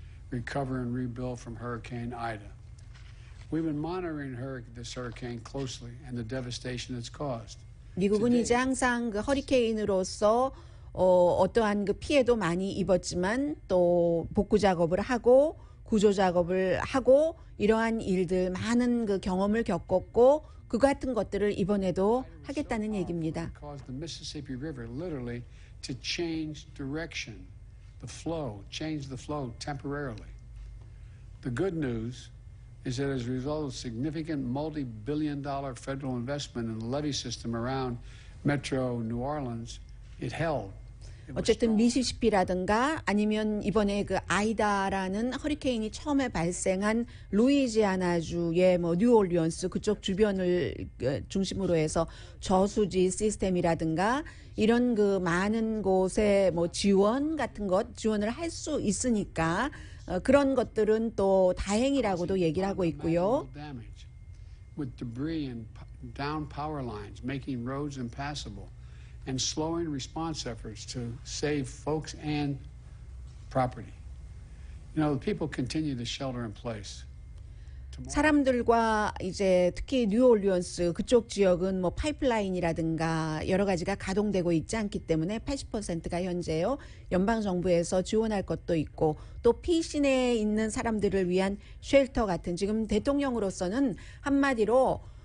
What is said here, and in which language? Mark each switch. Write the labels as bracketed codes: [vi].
[en] Recover and rebuild from Hurricane Ida. We've been monitoring this hurricane closely and the devastation it's caused. [ko] 미국은 이제 항상 그 허리케인으로서 어떠한 그 피해도 많이 입었지만 또 복구 작업을 하고 구조 작업을 하고 이러한 일들 많은 그 경험을 겪었고 그 같은 것들을 이번에도 하겠다는 얘기입니다. [en] Caused the Mississippi River literally to change direction. The flow, change the flow temporarily. The good news is that as a result of significant multi-billion dollar federal investment in the levee system around Metro New Orleans, it held. [ko] 어쨌든 미시시피라든가 아니면 이번에 그 아이다라는 허리케인이 처음에 발생한 루이지아나주의 뭐 뉴올리언스 그쪽 주변을 중심으로 해서 저수지 시스템이라든가 이런 그 많은 곳에 뭐 지원 같은 것 지원을 할 수 있으니까 그런 것들은 또 다행이라고도 얘기를 하고 있고요. [en] With debris and down power lines, making roads impassable, and slowing response efforts to save folks and property. You know, people continue to shelter in place. [ko] 사람들과 이제 특히 뉴올리언스 그쪽 지역은 뭐 파이프라인이라든가 여러 가지가 가동되고 있지 않기 때문에 80%가 현재요 연방정부에서 지원할 것도 있고 또 피신에 있는 사람들을 위한 쉘터 같은 지금 대통령으로서는 한마디로